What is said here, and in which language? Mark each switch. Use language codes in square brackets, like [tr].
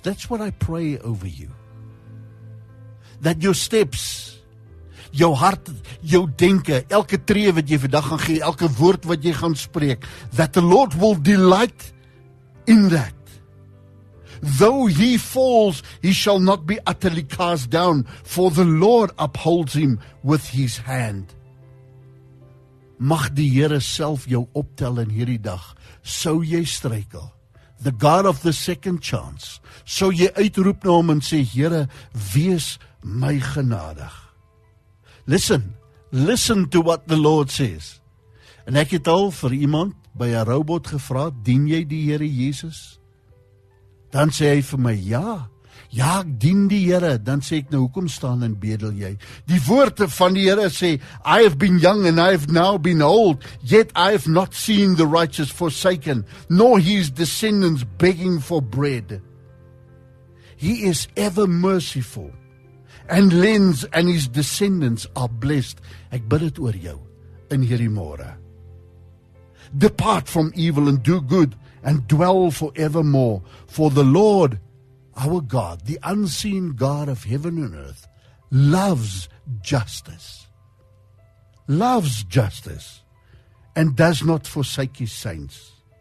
[en] That's what I pray over you. That your steps, your heart, your [af] denke, elke tree wat jy vandag gaan gee, elke woord wat jy gaan spreek, [en] that the Lord will delight in that. Though he falls, he shall not be utterly cast down, for the Lord upholds him with his hand. [af] Mag die Here self jou optel in hierdie dag, so jy struikel. [en] The God of the second chance, [af] so jy uitroep na hom en sê, Here, wees my genadig. [en] Listen to what the Lord says. [af] En ek het al vir iemand by 'n robot gevra, dien jy die Here Jesus? Dan sê hy vir my, ja, ek dien die Here. Dan sê ek, nou, hoekom staan en bedel jy? Die woorde van die Here sê, [en] I have been young and I have now been old, yet I have not seen the righteous forsaken, nor his descendants begging for bread. He is ever merciful, and lends, and his descendants are blessed. [af] Ek bid het oor jou, in hierdie môre. [en] Depart from evil and do good, and dwell forevermore. For the Lord, our God, the unseen God of heaven and earth, loves justice. Loves justice. And does not forsake his saints.